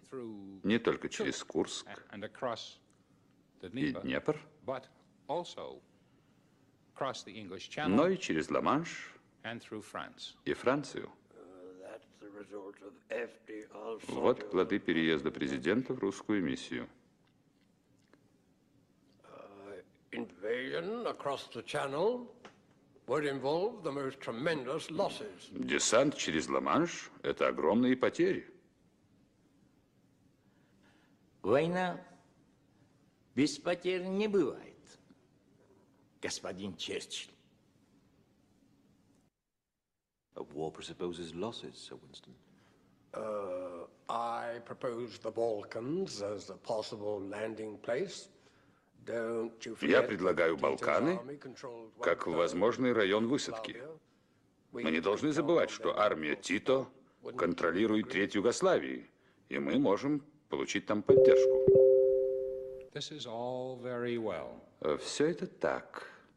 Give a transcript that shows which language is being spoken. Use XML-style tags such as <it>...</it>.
<ru>не только через Курск и Днепр, но и через Ла-Манш и Францию. Вот плоды переезда президента в русскую миссию.</ru> <en>Invasion across the channel would involve the most tremendous losses.</en> <ru>Десант через Ла-Манш – это огромные потери. Война без потерь не бывает, господин Черчилль.</ru> <en>A war presupposes losses, Sir Winston. I propose the Balkans as a possible landing place.</en> <ru>Я предлагаю Балканы как возможный район высадки. Мы не должны забывать, что армия Тито контролирует треть Югославии, и мы можем получить там поддержку. Все это так.</ru>